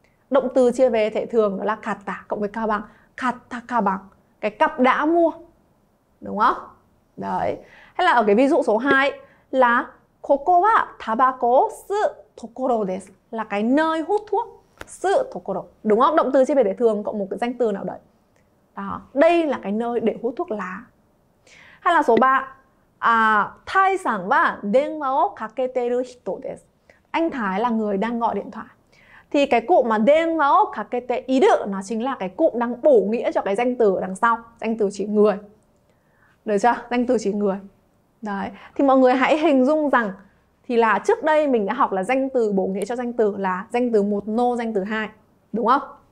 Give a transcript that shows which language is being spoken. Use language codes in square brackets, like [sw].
[vi] Động từ chia về thể thường đó là katta cộng với ka bang, katta ka bang, cái cặp đã mua. Đúng không? Đấy. Hay là ở cái ví dụ số 2 là [ja] ここはタバコを吸うところです. [vi] Là cái nơi hút thuốc. 吸うところ.Đúng không? Động từ chia về để thường cộng một cái danh từ nào đấy. Đó. Đây là cái nơi để hút thuốc lá. Hay là số 3. [ja] Thái sản は電話をかけてる人です. [vi] Anh Thái là người đang gọi điện thoại. Thì cái cụm mà [ja] 電話をかけている [vi] nó chính là cái cụm đang bổ nghĩa cho cái danh từ đằng sau. Danh từ chỉ người. Được chưa? Danh từ chỉ người. Đấy, thì mọi người hãy hình dung rằng thì là trước đây mình đã học là danh từ bổ nghĩa cho danh từ là danh từ 1 nô danh từ 2, đúng không?